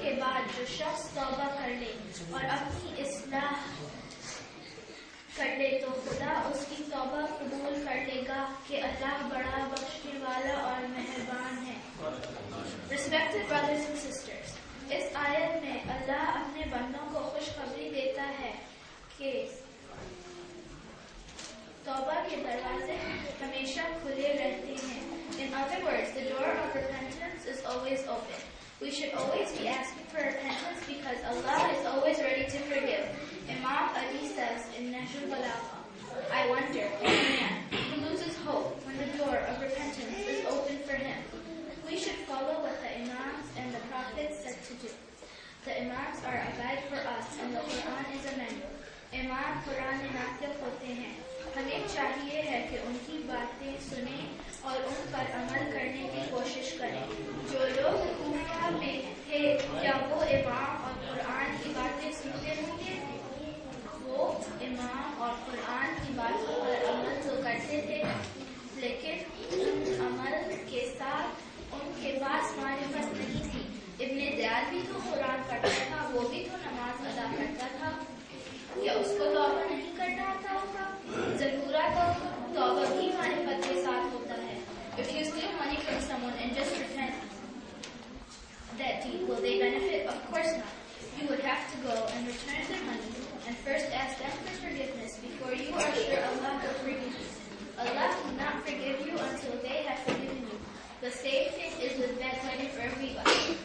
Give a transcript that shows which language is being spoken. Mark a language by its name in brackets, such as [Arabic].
[Hindi] और अपनी इस्लाह कर ले तो खुदा उसकी तौबा कबूल कर लेगा कि अल्लाह बड़ा बख्शने वाला और मेहरबान है। [English] respected brothers and sisters, [Hindi] इस आयत में अल्लाह अपने बंदों को खुशखबरी देता है कि तौबा के दरवाजे हमेशा खुले रहते हैं। [English] In other words, the door of repentance is always open. We should always be asking for repentance because Allah is always ready to forgive. Imam Ali says in Nahjul Balagha, I wonder, O man, who loses hope when the door of repentance is open for him. We should follow what the Imams and the Prophets said to do. The Imams are a guide for us and the Quran is a manual. [Hindi] Imam Quran mein naqil hote hain. हमें चाहिए है कि उनकी बातें सुने और उन पर अमल करने की कोशिश करें। जो लोग कूफा में थे, क्या वो इमाम और कुरान की बातें सुनते होंगे? वो इमाम और कुरान की बातों पर अमल तो करते थे, लेकिन उन अमल के साथ उनके पास मारिफत नहीं थी। इब्ने दयाल भी तो कुरान पढ़ता था, वो भी तो नमाज अदा करता था, या उसको तौबा नहीं करना आता होगा? ज़रूरत तौबा की मारिफत के साथ होता है। [English] If you steal money from someone and just pretend that deed, will they benefit? Of course not. You would have to go and return their money and first ask them for forgiveness before you are sure Allah will forgive you. Allah will not forgive you until they have forgiven you. The same thing is with bad money for riba.